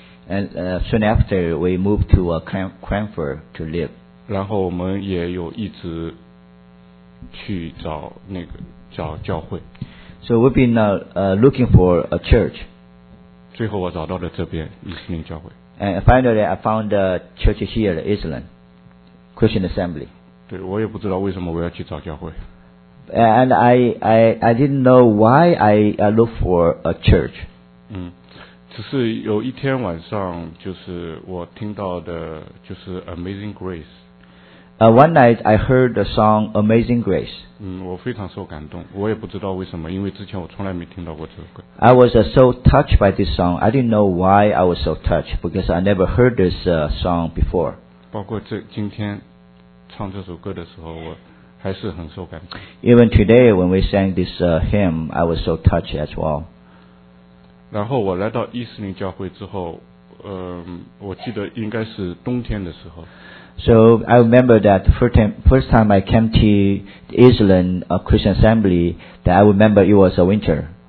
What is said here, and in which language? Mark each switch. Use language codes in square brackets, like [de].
[en] And soon after, we moved to Cranford to live. [zh] 然后我们也有一直去找那个找教会。 [en] So we've been looking for a church. [zh] 最后我找到了这边伊斯林教会。 [en] And finally, I found a church here, Island Christian Assembly. [zh] 对，我也不知道为什么我要去找教会。 [en] And I didn't know why I look for a church. [zh] 只是有一天晚上，就是我听到的，就是 Amazing Grace。 [en] One night I heard the song Amazing Grace。 [zh] 我非常受感动，我也不知道为什么，因为之前我从来没听到过这首歌。 [en] I was so touched by this song. I didn't know why I was so touched because I never heard this song before. [zh] 包括今天唱这首歌的时候，我还是很受感动。 [en] Even today when we sang this hymn, I was so touched as well. [zh] 然后我来到伊斯林教会之后，我记得应该是冬天的时候。 [en] So I remember that first time I came to Island Christian Assembly, that I remember it was a winter.